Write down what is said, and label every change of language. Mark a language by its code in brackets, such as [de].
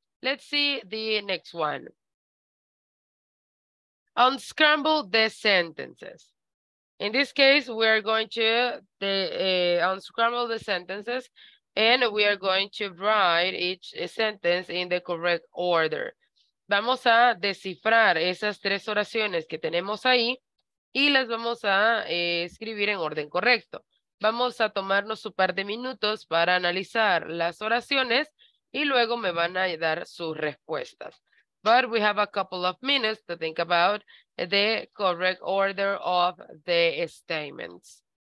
[en] Let's see the next one. Unscramble the sentences. In this case, we are going to unscramble the sentences, and we are going to write each sentence in the correct order. [es] Vamos a descifrar esas tres oraciones que tenemos ahí y las vamos a escribir en orden correcto. Vamos a tomarnos un par de minutos para analizar las oraciones y luego me van a dar sus respuestas. [en] But we have a couple of minutes to think about the correct order of the statements.